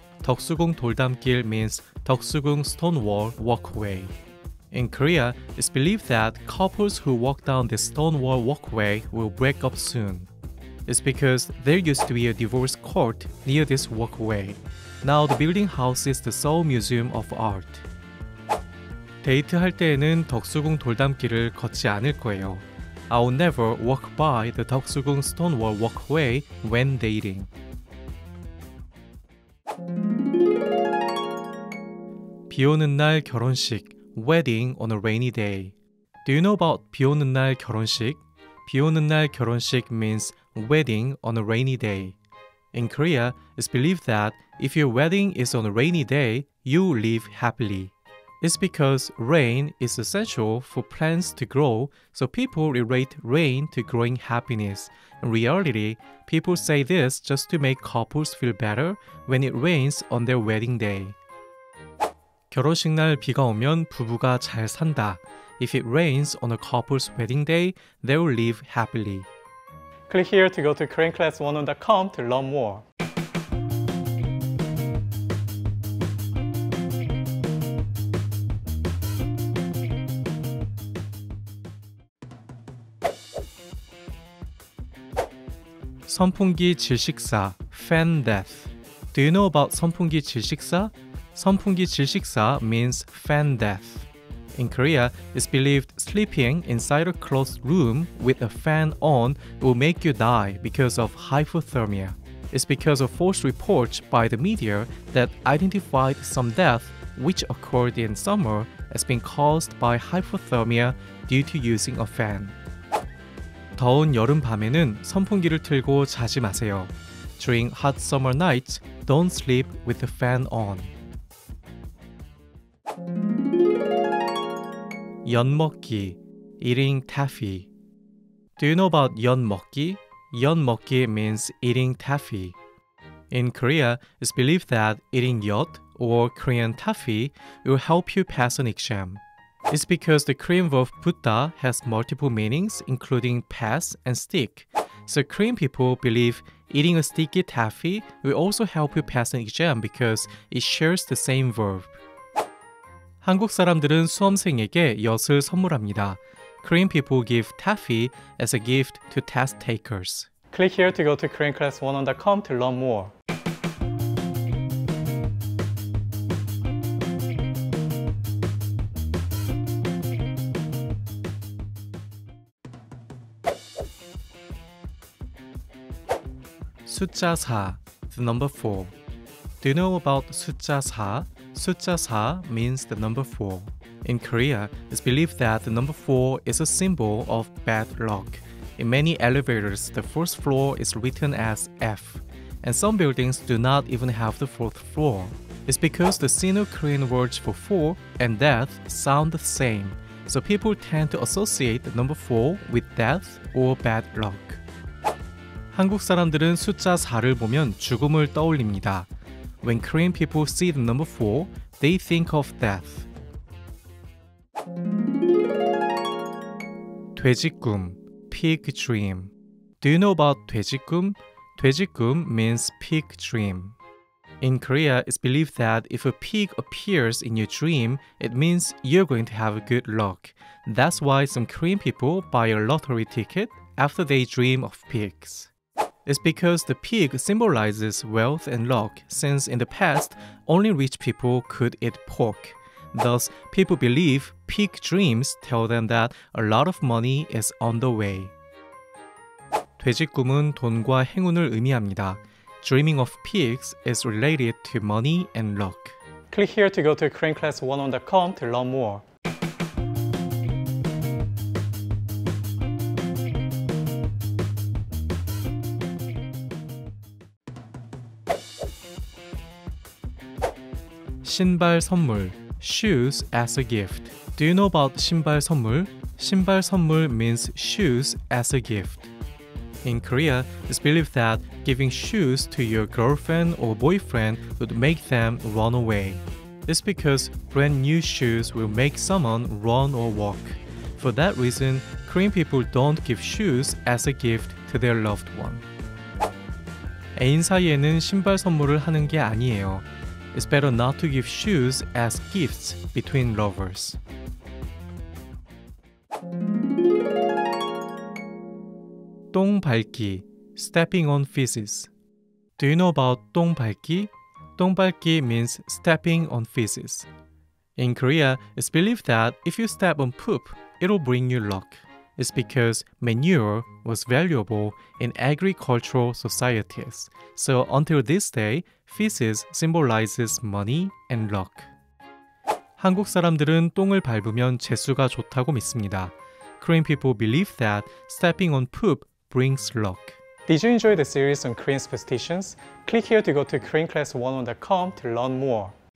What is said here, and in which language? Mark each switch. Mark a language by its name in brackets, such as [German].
[English] Doksugung Doldamgil means Doksugung Stonewall Walkway. In Korea, it's believed that couples who walk down this Stonewall Walkway will break up soon. It's because there used to be a divorce court near this walkway. Now the building house is the Seoul Museum of Art. [Korean] 데이트할 때에는 덕수궁 돌담길을 걷지 않을 거예요. [English] I'll never walk by the 덕수궁 Stonewall Walkway when dating. [Korean] 비 오는 날 결혼식, [English] wedding on a rainy day. Do you know about [Korean] 비 오는 날 결혼식? [English] 비 오는 날 결혼식 means wedding on a rainy day. In Korea, it's believed that if your wedding is on a rainy day, you live happily. It's because rain is essential for plants to grow, so people relate rain to growing happiness. In reality, people say this just to make couples feel better when it rains on their wedding day. [Korean] 결혼식 날 비가 오면 부부가 잘 산다. [English] If it rains on a couple's wedding day, they will live happily. Click here to go to KoreanClass101.com to learn more. Sonpungi jilsiksa, fan death. Do you know about Sonpungi jilsiksa? Sonpungi jilsiksa means fan death. In Korea, it's believed sleeping inside a closed room with a fan on will make you die because of hypothermia. It's because of false reports by the media that identified some deaths which occurred in summer as being caused by hypothermia due to using a fan. [Korean] 더운 여름 밤에는 선풍기를 틀고 자지 마세요. [English] During hot summer nights, don't sleep with the fan on. 연먹기, eating taffy. Do you know about 연먹기? 연먹기 means eating taffy. In Korea, it's believed that eating yot or Korean taffy will help you pass an exam. It's because the Korean verb 붙다 has multiple meanings including pass and stick. So Korean people believe eating a sticky taffy will also help you pass an exam because it shares the same verb. [Korean] 한국 사람들은 수험생에게 엿을 선물합니다. [English] Korean people give taffy as a gift to test takers. Click here to go to KoreanClass101.com to learn more. [Korean] 숫자 4, [English] the number 4. Do you know about 숫자 4? [Korean] 숫자 4 [English] means the number 4. In Korea, it's believed that the number 4 is a symbol of bad luck. In many elevators, the first floor is written as F, and some buildings do not even have the fourth floor. It's because the Sino-Korean words for 4 and death sound the same, so people tend to associate the number 4 with death or bad luck. [Korean] 한국 사람들은 숫자 4를 보면 죽음을 떠올립니다. [English] When Korean people see the number 4, they think of death. [Korean] 돼지 꿈, [English] pig dream. Do you know about 돼지 꿈? [Korean] 돼지 꿈 [English] means pig dream. In Korea, it's believed that if a pig appears in your dream, it means you're going to have good luck. That's why some Korean people buy a lottery ticket after they dream of pigs. It's because the pig symbolizes wealth and luck, since in the past, only rich people could eat pork. Thus, people believe pig dreams tell them that a lot of money is on the way. [Korean] 돼지 꿈은 돈과 행운을 의미합니다. [English] Dreaming of pigs is related to money and luck. Click here to go to KoreanClass101.com to learn more. [Korean] 신발 선물, [English] shoes as a gift. Do you know about 신발 선물? [Korean] 신발 선물 [English] means shoes as a gift. In Korea, it's believed that giving shoes to your girlfriend or boyfriend would make them run away. It's because brand new shoes will make someone run or walk. For that reason, Korean people don't give shoes as a gift to their loved one. [Korean] 애인 사이에는 신발 선물을 하는 게 아니에요. [English] It's better not to give shoes as gifts between lovers. [Korean] 똥 밟기, [English] stepping on feces. Do you know about 똥 밟기? [Korean] 똥 밟기 [English] means stepping on feces. In Korea, it's believed that if you step on poop, it'll bring you luck. It's because manure was valuable in agricultural societies. So until this day, feces symbolizes money and luck. [Korean] 한국 사람들은 똥을 밟으면 재수가 좋다고 믿습니다. [English] Korean people believe that stepping on poop brings luck. Did you enjoy the series on Korean superstitions? Click here to go to koreanclass101.com to learn more.